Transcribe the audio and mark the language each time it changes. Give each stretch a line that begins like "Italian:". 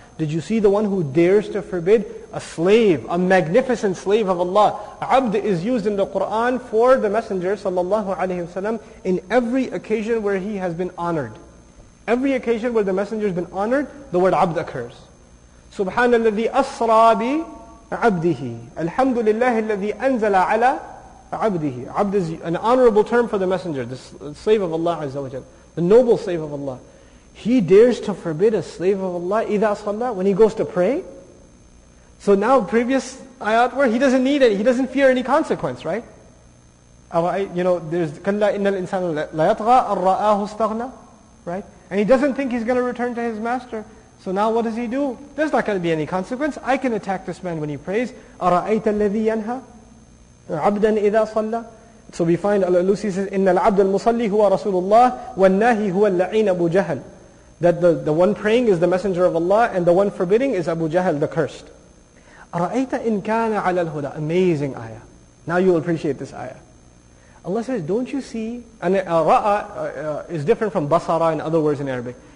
English: Did you see the one who dares to forbid? A slave, a magnificent slave of Allah. عَبْد is used in the Qur'an for the Messenger sallallahu alayhi wa sallam in every occasion where he has been honored. Every occasion where the Messenger has been honored, the word عَبْد occurs.
Arabic: سُبْحَانَ الَّذِي أَسْرَى بِي عبده الحمد لله الذي أنزل على عبده.
English: عبد is an honorable term for the messenger, the slave of Allah عز وجل, the noble slave of Allah. He dares to forbid a slave of Allah
Arabic: إذا صلى,
English: when he goes to pray. So now previous ayat where he doesn't need it, he doesn't fear any consequence, right? You know, there's
Arabic: كَلَّا إِنَّ الْإِنسَانَ لَيَطْغَى أَنْ رَآهُ اسْتَغْنَى,
English: right? And he doesn't think he's going to return to his master. So now what does he do? There's not going to be any consequence. I can attack this man when he prays.
Arabic: أَرَأَيْتَ الَّذِي يَنْهَى عَبْدًا إِذَا صَلَّى.
English: So we find Al-Alusi says,
Arabic: إِنَّ الْعَبْدَ الْمُصَلِّ هُوَ رَسُولُ اللَّهِ وَالنَّاهِ هُوَ اللَّعِينَ أَبُو جَهَلٍ.
English: That the one praying is the messenger of Allah, and the one forbidding is Abu Jahl, the cursed.
Arabic: أَرَأَيْتَ إِنْ كَانَ عَلَى الْهُدَى.
English: Amazing ayah. Now you will appreciate this ayah. Allah says, don't you see? And ra'a is different from basara in other words in Arabic.